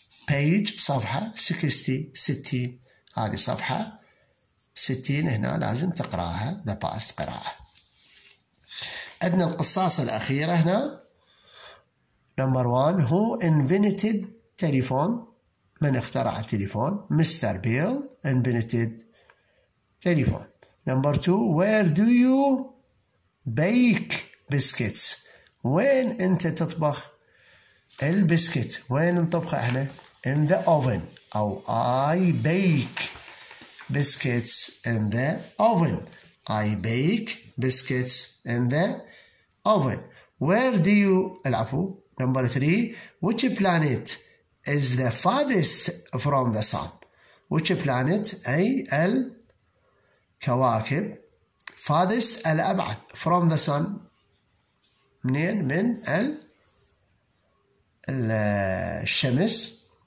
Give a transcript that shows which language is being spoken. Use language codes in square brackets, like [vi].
[ar] page صفحة 60 هذه صفحة 60 هنا لازم تقرأها [en] the past [ar] قراءة. عندنا القصاصة الأخيرة هنا. [en] Number one, who invented telephone? [ar] من اخترع التليفون؟ Mr. [en] Bell invented telephone. Number two, where do you bake biscuits? [ar] وين انت تطبخ البسكت؟ وين نطبخه احنا؟ [en] In the oven. أو I bake biscuits in the oven. I bake biscuits in the oven. Where do you... [ar] العفو. [en] Number three, which planet is the farthest from the sun? Which planet, [ar] أي الكواكب، [en] farthest [ar] الأبعد، [en] from the sun، [ar] منين؟ من الشمس.